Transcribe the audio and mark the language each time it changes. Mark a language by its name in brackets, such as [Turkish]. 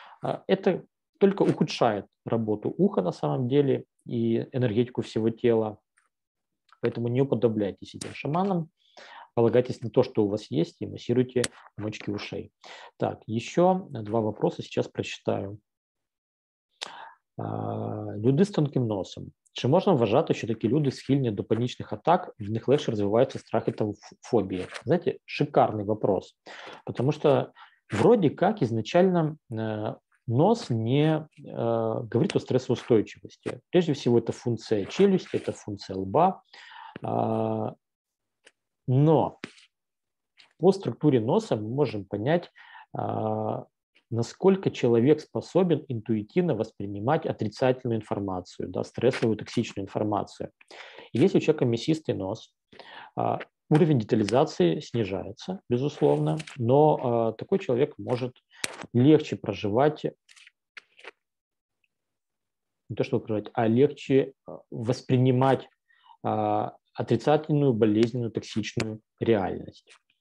[Russian] Это только ухудшает работу уха на самом деле и энергетику всего тела. Поэтому не уподобляйтесь этим шаманам. Полагайтесь на то, что у вас есть, и массируйте мочки ушей. Так, еще два вопроса сейчас прочитаю. Люди с тонким носом. [Ukrainian] Чи можна вважати, що такі люди схильні до панічних атак, в них легше розвиваються страхи та фобії? [Russian] Знаєте, шикарний вопрос. Потому що вроді як ізначально нос не говорить о стресоустойчивості. Прежде всего, [Ukrainian] це функція челюсті, це функція лба. [Russian] Но по структуре носа мы можем понять, насколько человек способен интуитивно воспринимать отрицательную информацию, да, стрессовую, токсичную информацию. И если у человека мясистый нос, уровень детализации снижается, безусловно, но такой человек может легче проживать, не то чтобы проживать, а легче воспринимать отрицательную, болезненную, токсичную реальность.